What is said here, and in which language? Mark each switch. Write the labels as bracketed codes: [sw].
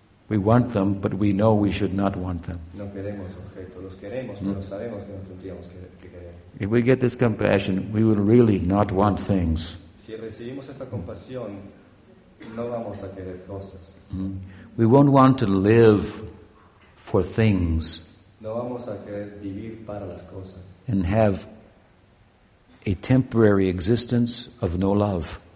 [en] We want them, but we know we should not want them. [es] No queremos objetos, los queremos, pero sabemos que no tendríamos que querer. [en] If we get this compassion, we will really not want things. [es] Si recibimos esta compasión, no vamos a querer cosas. [en] We won't want to live for things. [es] No vamos a querer vivir para las cosas. [en] And have a temporary existence of no love.